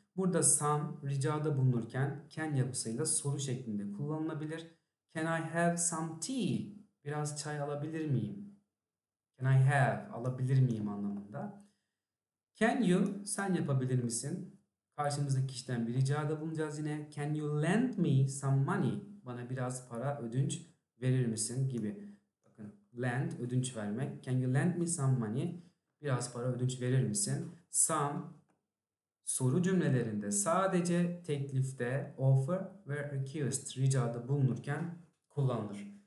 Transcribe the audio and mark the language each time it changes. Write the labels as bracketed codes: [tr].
[tr] Burada some ricada bulunurken can yapısıyla soru şeklinde kullanılabilir. [en] Can I have some tea? [tr] Biraz çay alabilir miyim? [en] Can I have, [tr] alabilir miyim anlamında. [en] Can you, [tr] sen yapabilir misin? Karşımızdaki kişiden bir ricada bulunacağız yine. [en] Can you lend me some money? [tr] Bana biraz para ödünç verir misin gibi. Bakın, lend, ödünç vermek. [en] Can you lend me some money? [tr] Biraz para ödünç verir misin? [en] Some, [tr] Soru cümlelerinde sadece teklifte, offer ve request, ricada bulunurken kullanılır.